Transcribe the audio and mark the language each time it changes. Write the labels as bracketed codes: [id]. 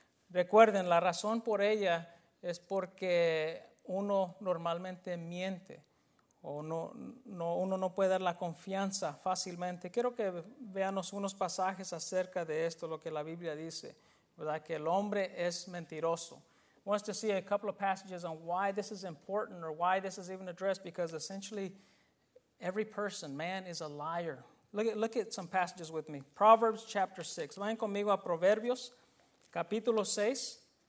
[es] Recuerden, la razón por ella es porque uno normalmente miente o uno no puede dar la confianza fácilmente. Quiero que veamos unos pasajes acerca de esto, lo que la Biblia dice, ¿verdad? Que el hombre es mentiroso. [en] I want to see a couple of passages on why this is important or why this is even addressed, because essentially every person, man, is a liar. Look at some passages with me. Proverbs chapter 6. [es] Vayan conmigo a Proverbios capítulo 6.